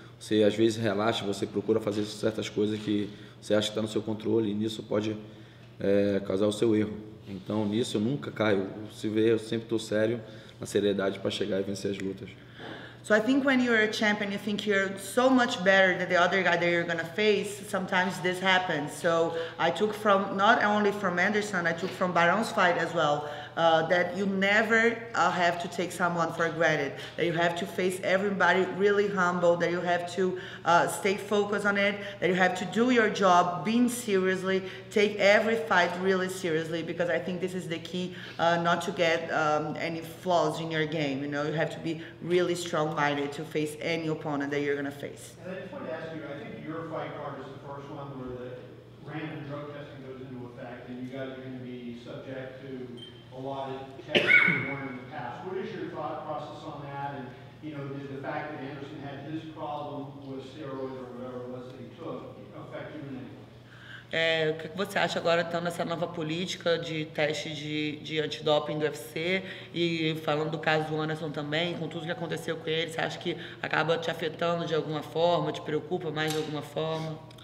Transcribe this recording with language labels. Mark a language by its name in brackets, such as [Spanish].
[Portuguese] Você às vezes relaxa, você procura fazer certas coisas que você acha que está no seu controle e nisso pode causar o seu erro. Então nisso eu nunca caio. Se vê, eu sempre estou sério na seriedade para chegar e vencer as lutas. [English] So I think when you're a champion, you think you're so much better than the other guy that you're gonna face. Sometimes this happens. So I took from not only from Anderson, I took from Barão's fight as well. That you never have to take someone for granted, that you have to face everybody really humble, that you have to stay focused on it, that you have to do your job, being seriously, take every fight really seriously, because I think this is the key not to get any flaws in your game. You know, you have to be really strong-minded to face any opponent that you're going to face. And I just wanted to ask you, I think your fight card is the first one where the random drug testing goes into effect and you guys are going to be subject to a lot of tests you've worn in the past. What is your thought process on that? And, you know, did the fact that Anderson had his problem with steroids or whatever it was that he took affect you in any way? [Portuguese] O que você acha agora, então, nessa nova política de teste de antidoping do UFC? E falando do caso do Anderson também, com tudo que aconteceu com ele, você acha que acaba te afetando de alguma forma, te preocupa mais de alguma forma?